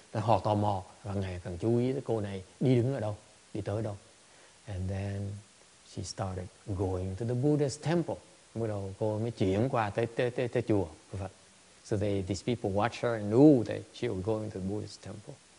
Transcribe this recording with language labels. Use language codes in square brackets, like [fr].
[vi] Then họ tò mò và ngày càng chú ý tới cô này đi đứng ở đâu, đi tới đâu. [en] And then she started going to the Buddha's temple. [vi] Bắt đầu cô mới chuyển qua tới chùa của Phật. [en] So these people watched her and knew that she was going to the Buddha's temple.